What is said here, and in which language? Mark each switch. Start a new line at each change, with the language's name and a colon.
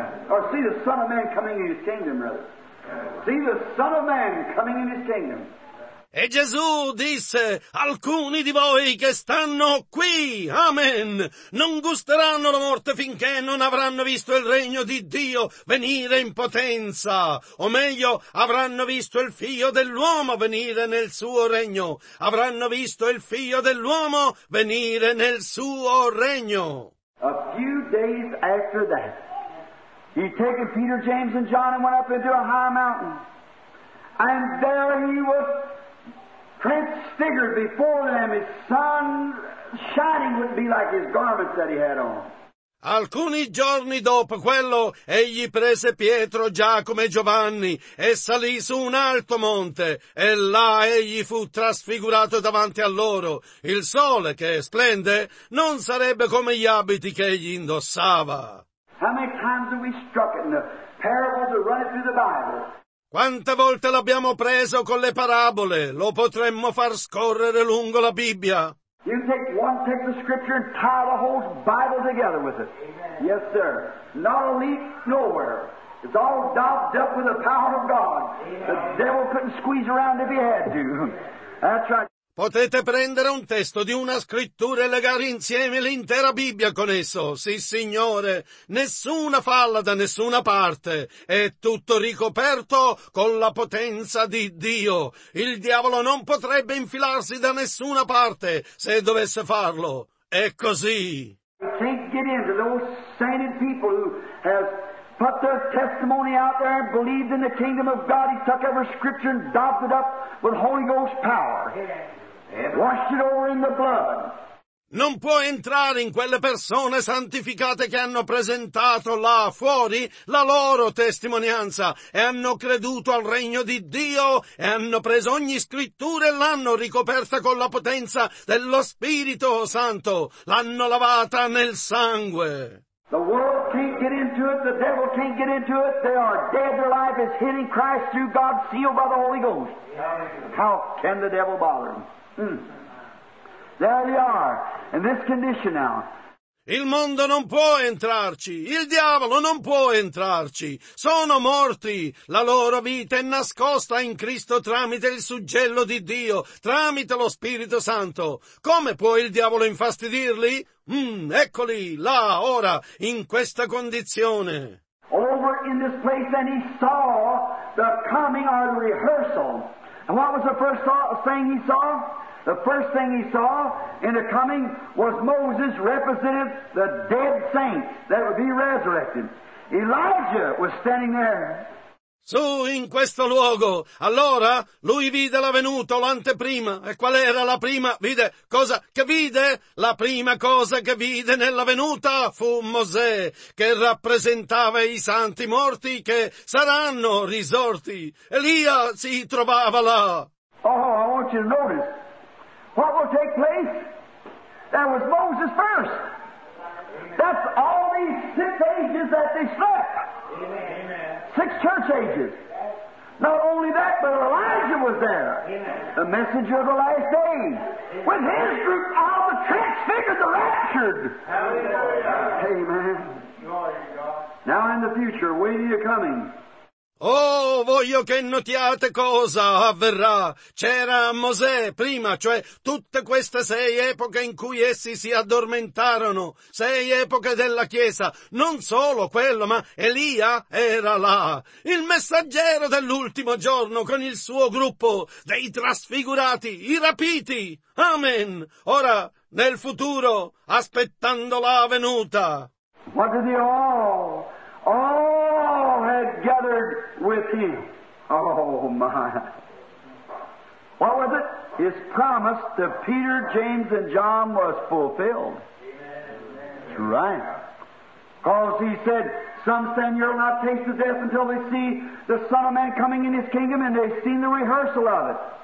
English: Or see the Son of Man coming in his kingdom, brother. See the Son of Man coming in his kingdom.
Italian: E Gesù disse, alcuni di voi che stanno qui, amen, non gusteranno la morte finché non avranno visto il regno di Dio venire in potenza, o meglio, avranno visto il figlio dell'uomo venire nel suo regno, avranno visto il figlio dell'uomo venire nel suo regno.
English: A few days after that, he took Peter, James and John and went up into a high mountain. And there he was transfigured before them, his sun shining would be like his garments that he had on.
Italian: Alcuni giorni dopo quello, egli prese Pietro, Giacomo e Giovanni e salì su un alto monte, e là egli fu trasfigurato davanti a loro. Il sole che splende non sarebbe come gli abiti che egli indossava.
English: How many times have we struck it in the parables that run through the Bible?
Italian: Quante volte l'abbiamo preso con le parabole? Lo potremmo far scorrere lungo la Bibbia.
English: You take one text of scripture and tie the whole Bible together with it. Amen. Yes, sir. Not a leaf nowhere. It's all doped up with the power of God. Amen. The devil couldn't squeeze around if he had to. That's right.
Italian: Potete prendere un testo di una scrittura e legare insieme l'intera Bibbia con esso. Sì, Signore, nessuna falla da nessuna parte. È tutto ricoperto con la potenza di Dio. Il diavolo non potrebbe infilarsi da nessuna parte se dovesse farlo. È così.
English: You can't get into those sainted people who have put their testimony out there and believed in the kingdom of God. He took every scripture and doped it up with Holy Ghost power. Wash it over in the blood.
Italian: Non può entrare in quelle persone santificate che hanno presentato là fuori la loro testimonianza e hanno creduto al regno di Dio e hanno preso ogni scrittura e l'hanno ricoperta con la potenza dello Spirito Santo, l'hanno lavata nel sangue.
English: The world can't get into it, the devil can't get into it, they are dead, their life is hidden in Christ through God, sealed by the Holy Ghost. How can the devil bother them? There they are, in this condition now.
Italian: Il mondo non può entrarci, il diavolo non può entrarci, sono morti, la loro vita è nascosta in Cristo tramite il suggello di Dio, tramite lo Spirito Santo. Come può il diavolo infastidirli? Eccoli, là, ora, in questa condizione.
English: Over in this place and he saw the coming of the rehearsal. And what was the first thing he saw? The first thing he saw in the coming was Moses represented the dead saints that would be resurrected. Elijah was standing there.
Italian: Su in questo luogo, allora lui vide la venuta, l'anteprima. E qual era la prima? Vide cosa che vide? La prima cosa che vide nella venuta fu Mosè, che rappresentava i santi morti che saranno risorti. Elia si trovava là.
English: Oh, I want you to notice. What will take place? That was Moses first. That's all these six ages that they slept. Amen. Six church ages. Not only that, but Elijah was there. Amen. The messenger of the last days. With his group out of the transfigured, the raptured. Hallelujah. Amen. Glory to God. Now in the future, waiting your coming.
Italian: Oh, voglio che notiate cosa avverrà. C'era Mosè prima, cioè tutte queste sei epoche in cui essi si addormentarono. Sei epoche della Chiesa. Non solo quello, ma Elia era là. Il messaggero dell'ultimo giorno con il suo gruppo dei trasfigurati, i rapiti. Amen. Ora, nel futuro, aspettando la venuta.
English: What did you all? All had gathered with him. Oh, my. What was it? His promise to Peter, James, and John was fulfilled. Amen. That's right. Because he said, some say you'll not taste the death until they see the Son of Man coming in his kingdom, and they've seen the rehearsal of it.